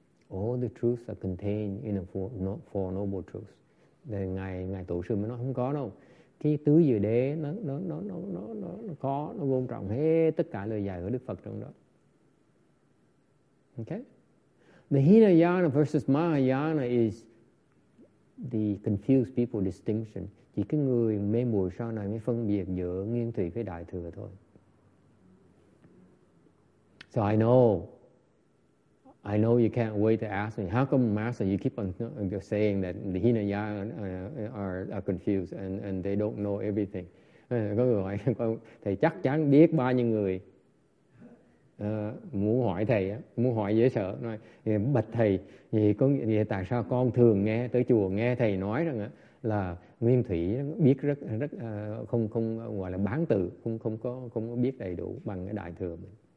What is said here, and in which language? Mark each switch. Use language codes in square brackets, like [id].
[en] All the truths are contained in the four noble truths. [vi] Then ngài tổ sư mới nói, không có đâu. Cái tứ diệu đế nó có, nó gồm trọng hết tất cả lời dạy của Đức Phật trong đó. [en] Okay? The Hinayana versus Mahayana is the confused people distinction. [vi] Chỉ cái người mê muội sau này mới phân biệt giữa nguyên thủy với đại thừa thôi. [en] So I know, I know you can't wait to ask me, how come, Master, you keep on saying that the Hinaya are confused and they don't know everything? [vi] Có người hỏi, thầy chắc chắn biết bao nhiêu người muốn hỏi thầy, muốn hỏi dễ sợ. Nói, bạch thầy, vậy có nghĩa tại sao con thường nghe tới chùa nghe thầy nói rằng là nguyên thủy biết rất không gọi là bán tự, không có biết đầy đủ bằng cái đại thừa mình.